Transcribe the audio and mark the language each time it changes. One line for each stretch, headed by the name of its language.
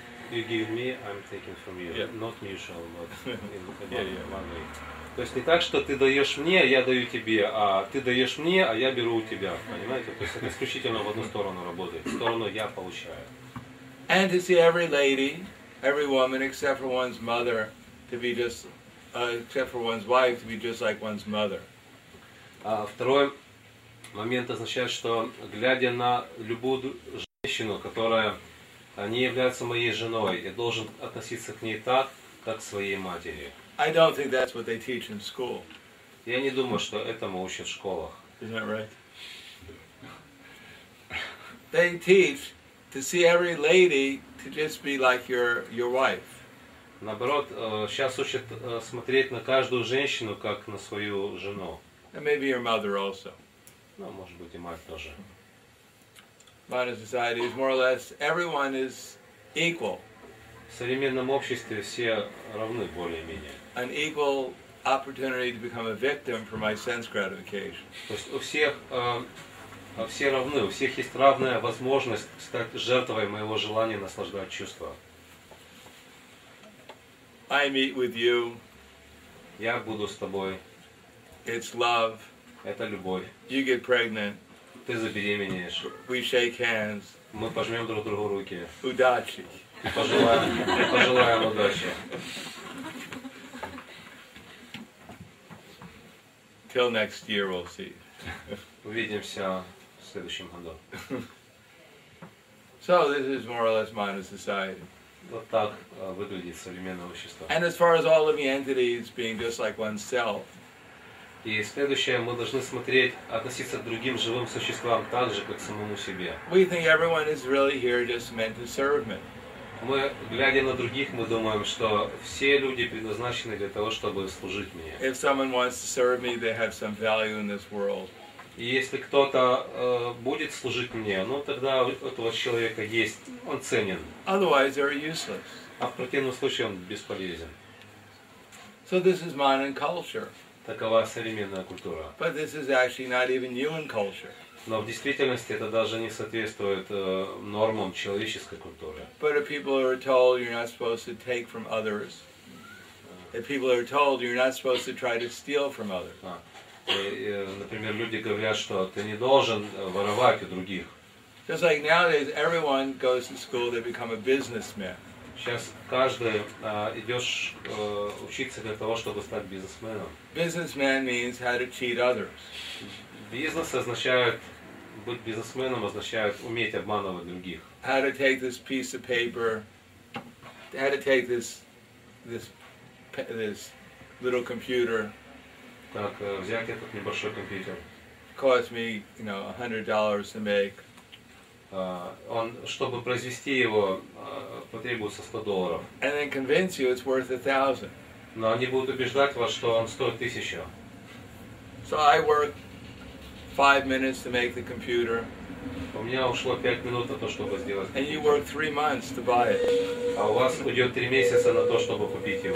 English: You give me, I'm taking from you. Yeah. Not mutual, but in one way. Yeah.
Russian: То есть не так, что ты даешь мне, я даю тебе, а ты даешь мне, а я беру у тебя. Понимаете? То есть это исключительно в одну сторону работает. В сторону «я получаю».
English: And to see every lady, every woman, except for one's mother, to be just, except for one's wife, to be just like one's mother.
Russian: Второй момент означает, что глядя на любую женщину, которая не является моей женой, я должен относиться к ней так, как к своей матери.
English: I don't think that's what they teach in school.
Russian: Я не думаю, что этому учат в школах.
English: Isn't that right? They teach to see every lady to just be like your wife.
Russian: Наоборот, сейчас учат смотреть на каждую женщину как на свою жену.
English: And maybe your mother also.
Russian: Ну, может быть, и мать тоже.
English: Modern society is more or less everyone is equal.
Russian: В современном обществе все равны более-менее.
English: An equal opportunity to become a victim for my sense gratification.
Russian: То есть у всех все равны, у всех есть равная возможность стать жертвой моего желания наслаждать чувства.
English: I meet with you.
Russian: Я буду с тобой.
English: It's love.
Russian: Это любовь.
English: You get pregnant.
Russian: Ты забеременеешь.
English: We shake hands.
Russian: Мы пожмем друг другу руки. Удачи. И пожелаем удачи.
English: Till next year, we'll see.
Russian: Увидимся в следующем году.
English: So this is more or less modern society.
Russian: Вот так выглядит современное общество.
English: And as far as all living entities being just like oneself.
Russian: И следующее, мы должны смотреть, относиться к другим живым существам так же, как к самому себе.
English: We think everyone is really here just meant to serve me.
Russian: Мы, глядя на других, мы думаем, что все люди предназначены для того, чтобы служить мне.
English: If someone wants to serve me, they have some value in this world.
Russian: И если кто-то будет служить мне, ну тогда у этого человека есть, он ценен.
English: Otherwise, they're useless.
Russian: А в противном случае он бесполезен.
English: So this is modern culture.
Russian: Такова современная культура.
English: But this is actually not even human culture.
Russian: Но в действительности это даже не соответствует нормам человеческой культуры.
English: But if people are told you're not supposed to take from others, if people are told you're not supposed to try to steal from others.
Russian: И, например, люди говорят, что ты не должен воровать у других.
English: Just like nowadays, everyone goes to school, they become a businessman.
Russian: Сейчас каждый идешь учиться для того, чтобы стать бизнесменом.
English: Businessman means how to cheat others.
Russian: Бизнес означает, быть бизнесменом означает уметь обманывать других.
English: How to take this piece of paper, how to take this little computer.
Russian: Так, взять этот небольшой компьютер.
English: Cost me, you know, $100 to make.
Russian: Он, чтобы произвести его, потребуется $100.
English: And then convince you it's worth 1,000.
Russian: Но они будут убеждать вас, что он стоит 1,000.
English: So I work 5 minutes to make the computer.
Russian: У меня ушло 5 минут на то, чтобы сделать.
English: And you work 3 months to buy it.
Russian: А у вас уйдет 3 месяца на то, чтобы купить его.